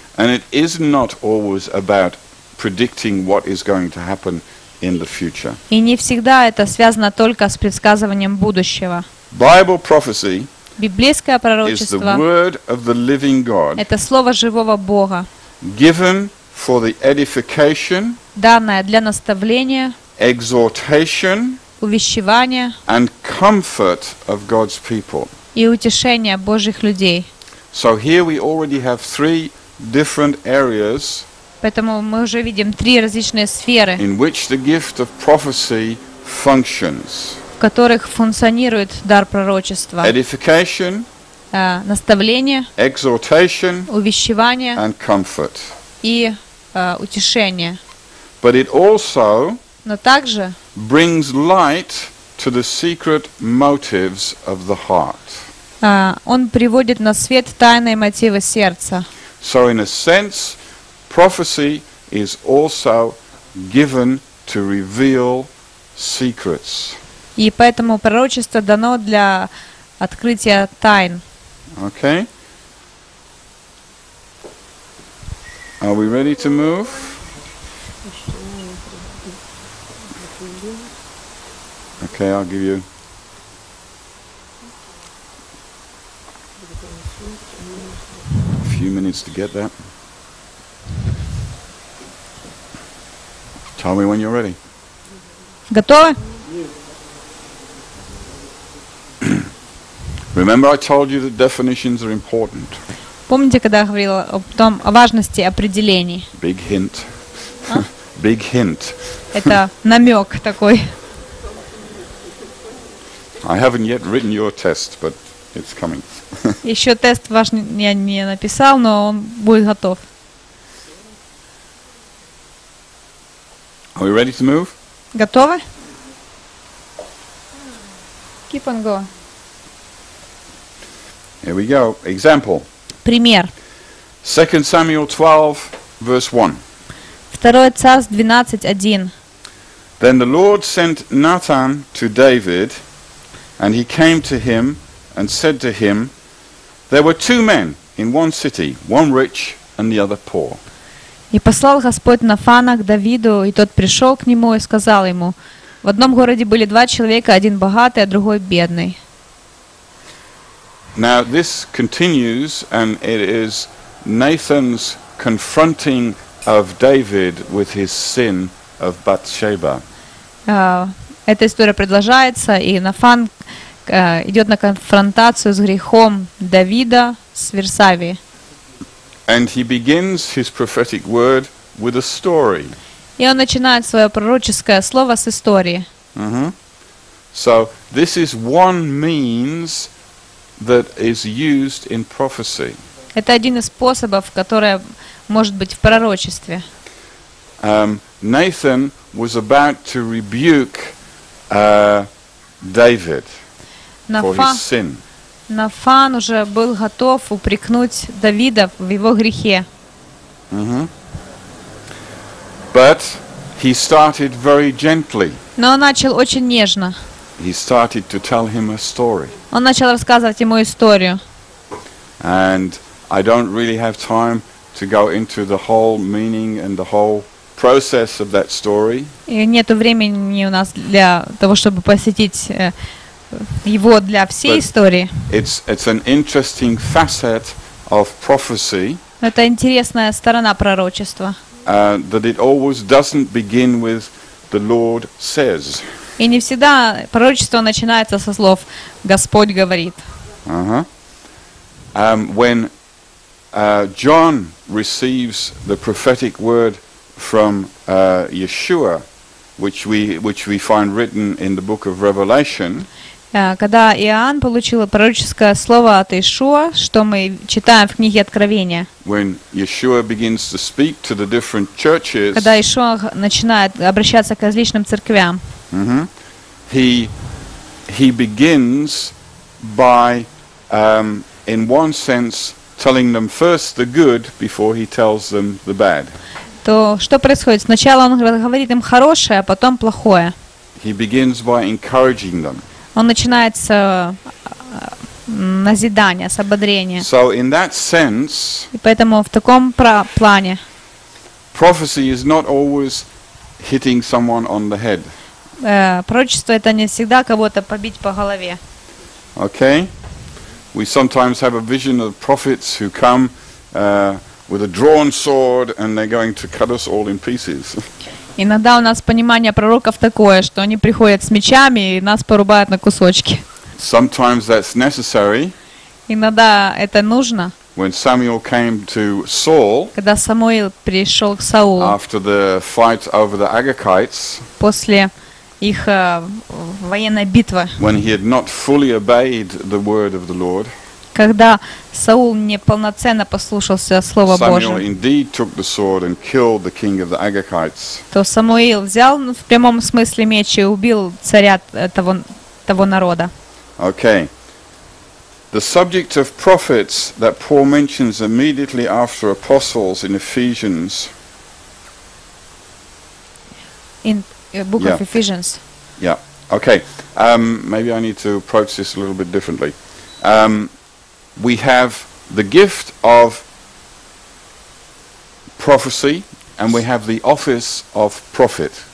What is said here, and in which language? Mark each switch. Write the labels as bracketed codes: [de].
[en] And it is not always about predicting what is going to happen in the future. [ru] И не всегда это связано только с предсказыванием будущего. [en] Bible prophecy. [ru] Библейское пророчество. [en] Is the word of the living God. [ru] Это слово живого Бога. [en] Given for the edification. [ru] Данное для наставления. [en] Exhortation. [ru] Увещевания. [en] And comfort of God's people. [ru] И утешения Божьих людей. [en] So here we already have three different areas. [ru] Поэтому мы уже видим три различные сферы. [en] In which the gift of prophecy functions. [ru] В которых функционирует дар пророчества. [en] Edification. [ru] Наставление. [en] Exhortation. [ru] Увещевание. [en] And comfort. [ru] И утешение. [en] But it also. [ru] Но также. [en] Brings light to the secret motives of the heart. [ru] Он приводит на свет тайные мотивы сердца. [en] So in a sense, prophecy is also given to reveal secrets. [ru] И поэтому пророчество дано для открытия тайн. [en] Okay. Are we ready to move? Okay, I'll give you. Few minutes to get that. Tell me when you're ready. [ru] Готовы? [en] Remember, I told you that definitions are important. [ru] Помните, когда я говорила о том, о важности определений? [en] Big hint. Big hint. [ru] Это намек такой. [en] I haven't yet written your test, but. It's coming. [ru] Еще тест ваш я не написал, но он будет готов. [en] Are we ready to move? [ru] Готовы? [en] Keep on going. Here we go. Example. [ru] Пример. [en] 2 Samuel 12, verse 1. [ru] Второе царство 12:1. [en] Then the Lord sent Nathan to David, and he came to him. And said to him, there were two men in one city, one rich and the other poor. [ru] И послал Господь Нафана к Давиду, и тот пришел к нему и сказал ему, в одном городе были два человека, один богатый, а другой бедный. [en] Now this continues, and it is Nathan's confronting of David with his sin of Bathsheba. [ru] Эта история продолжается, и Нафан идет на конфронтацию с грехом Давида с Версавии. [en] And he begins his prophetic word with a story. [ru] И он начинает свое пророческое слово с истории. Uh-huh. [en] So this is one means that is used in prophecy. [ru] Это один из способов, который может быть в пророчестве. [en] Nathan was about to rebuke David. For his sin. [ru] Нафан уже был готов упрекнуть Давида в его грехе. [en] But he started very gently. [ru] Но он начал очень нежно. [en] He started to tell him a story. [ru] Он начал рассказывать ему историю. [en] And I don't really have time to go into the whole meaning and the whole process of that story. [ru] И нету времени у нас для того, чтобы посетить его для всей истории. [en] It's an interesting facet of prophecy. [ru] Это интересная сторона пророчества. [en] That it always doesn't begin with the Lord says. [ru] И не всегда пророчество начинается со слов Господь говорит. [en] When John receives the prophetic word from Yeshua, which we find written in the book of Revelation. [ru] Когда Иоанн получил пророческое слово от Иешуа, что мы читаем в книге Откровения. [en] When Yeshua begins to speak to the different churches. [ru] Когда Иешуа начинает обращаться к различным церквям. [en] He begins by in one sense telling them first the good before he tells them the bad. [ru] То что происходит? Сначала он говорит им хорошее, а потом плохое. [en] He begins by encouraging them. [ru] Он начинает с назидания, с ободрения. [en] So in that sense, [ru] и поэтому в таком плане [en] prophecy is not always hitting someone on the head. [ru] Пророчество это не всегда кого-то побить по голове. [en] Okay. We sometimes have a vision of prophets who come with a drawn sword and they're going to cut us all in pieces. [ru] Иногда у нас понимание пророков такое, что они приходят с мечами и нас порубают на кусочки. [en] Sometimes that's necessary. [ru] Иногда это нужно. [en] When Samuel came to Saul. [ru] Когда Самуил пришел к Саулу. [en] After the fight over the Agagites. [ru] После их военная битва. [en] When he had not fully obeyed the word of the Lord. [ru] Когда Саул не полноценно послушался слова Божьего. [en] Samuel indeed took the sword and killed the king of the Agagites. [ru] То Самуил взял в прямом смысле меч и убил царя того народа. [en] Okay. The subject of prophets that Paul mentions immediately after apostles in Ephesians. Book of Ephesians. Yeah. Okay. Maybe I need to approach this a little bit differently. We have the gift of prophecy, and we have the office of prophet.